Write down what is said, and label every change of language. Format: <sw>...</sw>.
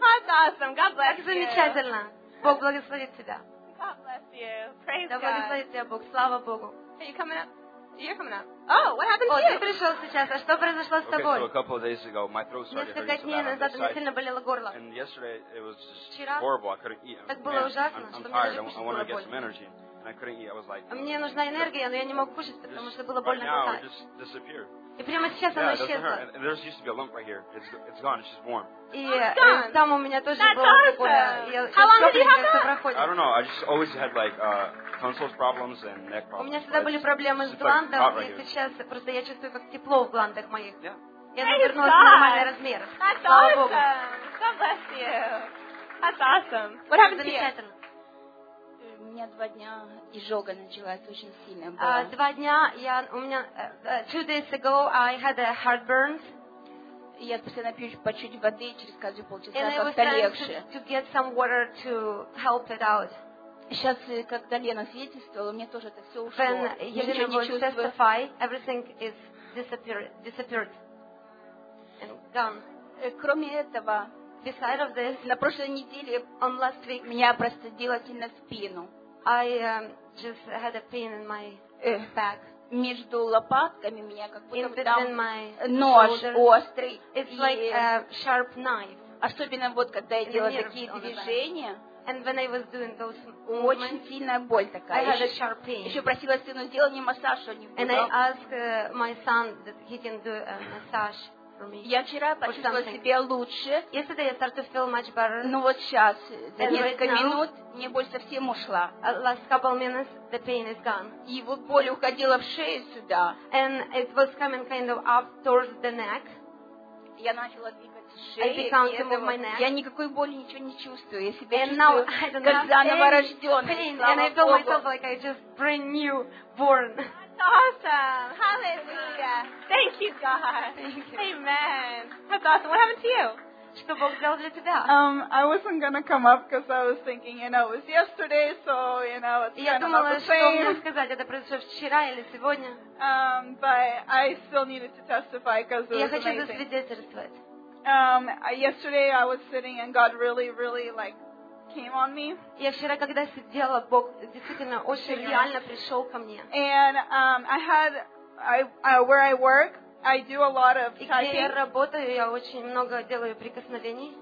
<en>Awesome. God bless</en> <ru>как замечательно.</ru> <en>You.</en> <ru>Бог благословит тебя.</ru> <en>God bless you. Praise</en> <ru>да благословит тебя Бог. Слава Богу.</ru> <en>Are you coming up? You're coming up. Oh, what happened to you?</en> <ru>Ты сейчас, а что произошло с тобой?</ru> <en>Okay, so a couple of days ago, my throat started hurting.</en> <ru>Несколько дней назад мне сильно болело горло.</ru> <en>And yesterday it was just horrible. I couldn't eat.</en> <ru>Так было ужасно, что мне даже кушать было больно.</ru> <en>I want to get some energy, and I couldn't eat. I was like.</en> <ru>Мне нужна энергия, но я не мог кушать, потому что было больно.</ru> <en>Right now, it just disappeared.</en> <ru>И прямо сейчас оно исчезло.</ru> <en>And there used to be a lump right here. It's gone. It's just warm.</en> <ru>И там у меня тоже было такое.</ru> <en>How long did you have that? I don't know. I just always had like. Tonsils problems and neck problems.</en> <ru>У меня всегда были проблемы с гландом, и сейчас просто я чувствую, как тепло в гландах моих. Я вернулась в нормальный размер. Слава Богу.</ru> <en>God bless you. That's awesome. What happened to you?</en> <ru>меня два дня изжога началась очень сильно. Два дня я у меня</ru> <en>two days ago I had a heartburn.</en> <ru>Я постоянно пью по чуть воды через каждые полчаса, как-то легче.</ru> <en>To get some water to help it out.</en> <ru>Сейчас, когда Лена свидетельствовала, мне тоже это все ушло.</ru> <en>When Елена будет testify, everything is disappeared and gone.</en> <ru>Кроме этого,</ru> <en>beside of this,</en> <ru>на прошлой неделе,</ru> <en>on last week,</en> <ru>меня простудило сильно спину.</ru> <en>I just had a pain in my back.</en> <ru>Между лопатками меня как будто там нож острый.</ru> <en>It's like a sharp knife.</en> <ru>Особенно вот когда я делала такие движения.</ru> <en>And when I was doing those movements,</en> <ru>очень сильная боль такая.</ru> <en>I had a sharp pain.</en> <ru>Еще просила сына, сделай мне массаж, он не был.</ru> <en>And I asked my son that he can do a massage for me.</en> <ru>Я вчера почувствовала себя лучше.</ru> <en>Yesterday I started to feel much better.</en> <ru>Но вот сейчас, за несколько минут, мне боль совсем ушла.</ru> <en>Last couple minutes, the pain is gone.</en> <ru>И вот боль уходила в шею сюда.</ru> <en>And it was coming kind of up towards the neck.</en> <ru>Я начала двигаться. Я никакой боли ничего не чувствую. Я себя чувствую как заново рождённой.</ru> <en>And I feel myself like I just brand new born. That's awesome. Hallelujah. Thank you, God. Thank you. Amen. That's awesome. What happened to you?</en> <ru>Что Бог сделал для тебя?</ru> <en>I wasn't gonna come up because I was thinking, you know, it was yesterday, so you know, it's kind of the same.</en> <ru>Я думала, что мне сказать, это произошло вчера или сегодня.</ru> <en>But I still needed to testify because</en> <ru>я хочу засвидетельствовать.</ru> <en>Yesterday I was sitting and God really, really like came on me.</en> <ru>Я вчера, когда сидела, Бог действительно очень реально пришел ко мне.</ru> <en>And where I work, I do a lot of typing.</en> <ru>И где я работаю, я очень много делаю прикосновений.</ru>